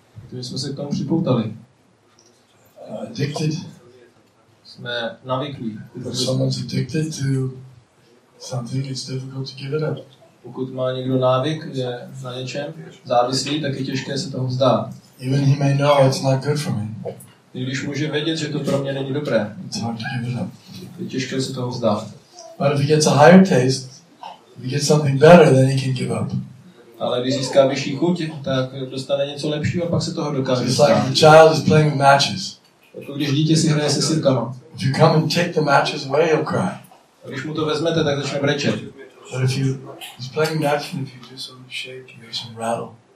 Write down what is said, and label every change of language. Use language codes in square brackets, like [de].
[cs] Když jsme se k tomu připoutali. [en] Addicted. [cs] jsme navyklí. [en] If someone's addicted to something, it's difficult to give it up. [cs] Pokud má někdo návyk, je na něčem závislý, tak je těžké se toho vzdát. [en] Even he may know it's not good for me. [cs] I když může vědět, že to pro mě není dobré, je těžké se toho vzdát. [en] But if he gets a higher taste, if he gets something better, then he can give up. [cs] Ale když získá vyšší chuť, tak dostane něco lepšího, pak se toho dokáže vzdát. [en] It's like the child is playing with matches. [cs] Jako když dítě si hraje se sirkama. [en] If you come and take the matches away, he'll cry. [cs] A když mu to vezmete, tak začne brečet. [en] But if you, he's playing match and if you do some shake, you hear some rattle.